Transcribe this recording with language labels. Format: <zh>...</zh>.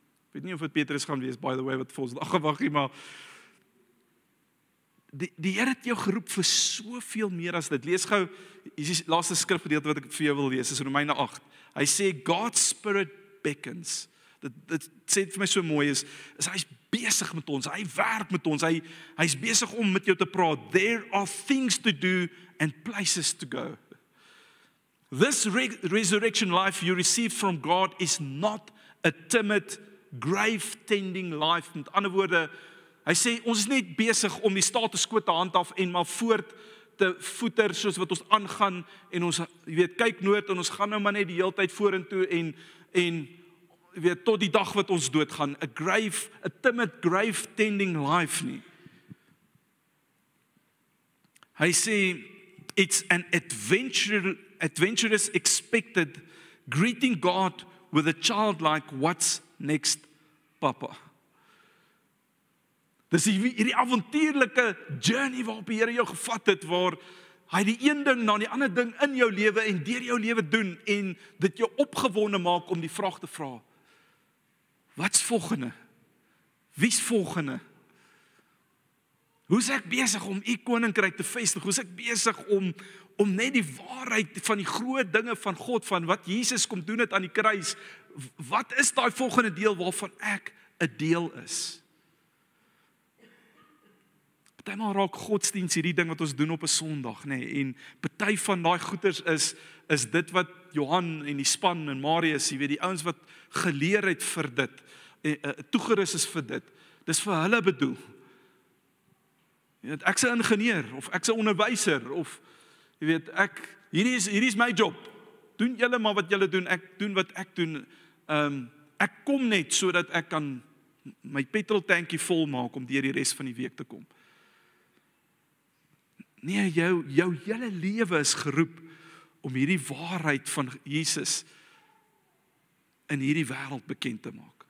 <af>Ek weet nie of dit Petrus gaan wees,</af> <en>by the way,</en> <af>wat vir ons dag gewag nie, maar die Here het jou geroep vir soveel meer as dit. Lees gou, hier is die laaste skrifgedeelte wat ek vir jou wil lees, is Romeine 8. Hy sê,</af> <en>God's Spirit beckons.</en> <af>Dit sê vir my so mooi is hy is besig met ons, hy werk met ons, hy is besig om met jou te praat.</af> <en>There are things to do and places to go. This resurrection life you receive from God is not a timid, grave-tending life.</en> <af>Met ander woorde, hy sê, ons is net besig om die status quo te handhaaf en maar voort te voeter soos wat ons aangaan en ons, jy weet, kyk nooit en ons gaan nou maar net die hele tyd vorentoe en weet, tot die dag wat ons doodgaan,</af> <en>a timid grave tending life</en> <af>nie. Hy sê,</af> <en>it's an adventurous expected greeting God with a childlike, what's next, papa?</en> <af>Dis hierdie avontuurlike journey waarop die Here jou gevat het, waar hy die een ding na die ander ding in jou lewe en deur jou lewe doen en dit jou opgewonde maak om die vraag te vra. Wat's volgende? Wie's volgende? Hoe's ek besig om u koninkryk te vestig? Hoe's ek besig om net die waarheid van die groot dinge van God, van wat Jesus kom doen het aan die kruis, wat is daai volgende deel waarvan ek 'n deel is? Party maal raak godsdienst hierdie ding wat ons doen op 'n Sondag, nê? En party van daai goeders is dit wat Johann en die span en Marius, jy weet, die ouens wat geleer het vir dit, toegerus is vir dit, dis vir hulle bedoel. Jy weet, ek's 'n ingenieur of ek's 'n onderwyser of jy weet, ek hierdie is my job. Doen julle maar wat julle doen, ek doen wat ek doen. Ek kom net sodat ek kan my petroltankie vol maak om deur die res van die week te kom. Nee, jou hele lewe is geroep om hierdie waarheid van Jesus in hierdie wêreld bekend te maak.</af>